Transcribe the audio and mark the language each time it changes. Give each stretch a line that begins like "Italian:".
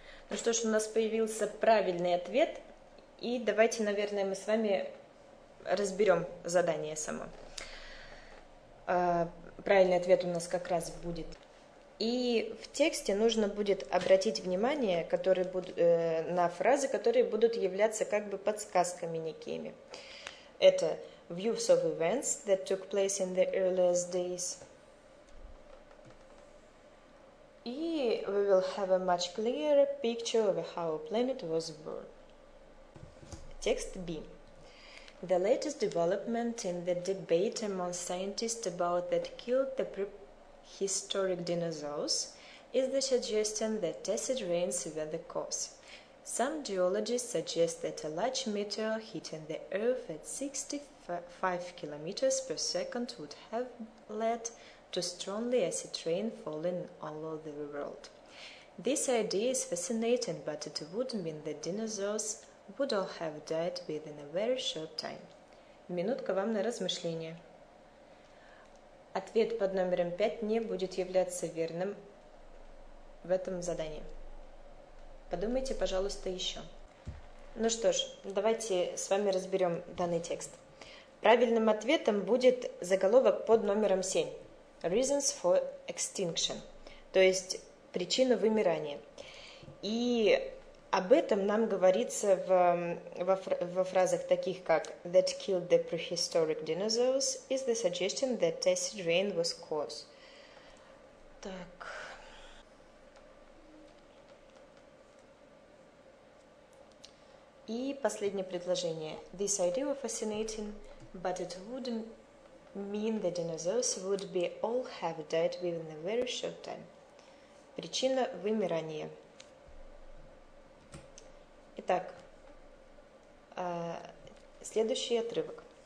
Russian: Ну что ж, у нас появился правильный ответ, и давайте, наверное, мы с вами разберем задание само. Правильный ответ у нас как раз будет. И в тексте нужно будет обратить внимание, на фразы, которые будут являться как бы подсказками некими. Это
English: views of events that took place in the earliest days.
Russian: И
English: we will have a much clearer picture of how a planet was born.
Russian: Текст B.
English: The latest development in the debate among scientists about that killed the prehistoric dinosaurs is the suggestion that acid rains were the cause. Some geologists suggest that a large meteor hitting the Earth at 65 kilometers per second would have led to strongly acid rain falling all over the world. This idea is fascinating, but it would mean that dinosaurs would all have died within a very short time.
Russian: Минутка вам на размышление. Ответ под номером 5 не будет являться верным в этом задании. Подумайте, пожалуйста, еще. Ну что ж, давайте с вами разберем данный текст. Правильным ответом будет заголовок под номером 7.
English: Reasons for extinction.
Russian: То есть причина вымирания. И об этом нам говорится во фразах таких как
English: that killed the prehistoric dinosaurs is the suggestion that acid rain was cause.
Russian: Так. И последнее предложение.
English: This idea was fascinating, but it wouldn't mean that dinosaurs would be all have died within a very short time.
Russian: Причина вымирания. Итак, следующий отрывок.